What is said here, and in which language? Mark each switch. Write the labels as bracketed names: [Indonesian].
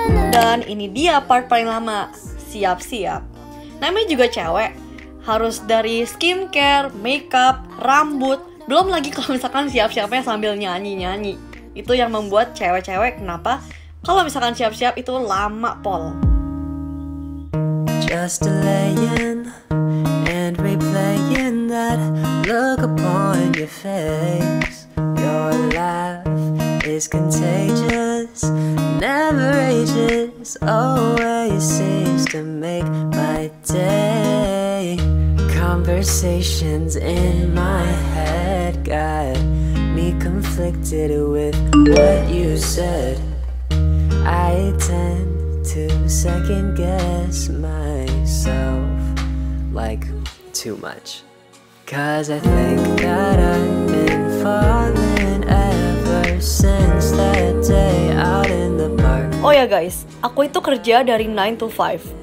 [Indonesian] Dan ini dia part paling lama. Siap-siap. Namanya juga cewek, harus dari skincare, makeup, rambut. Belum lagi kalau misalkan siap-siapnya sambil nyanyi-nyanyi. Itu yang membuat cewek-cewek kenapa kalau misalkan siap-siap itu lama pol. [English] Just laying and replaying that look upon your face. Your laugh is contagious, never ages, always seems to make my day. Conversations in my head got me conflicted with what you said. I tend to second guess myself like too much, 'cause I think that I've been falling ever since that day out in the park. [Indonesian] Oh ya guys, aku itu kerja dari 9 to 5.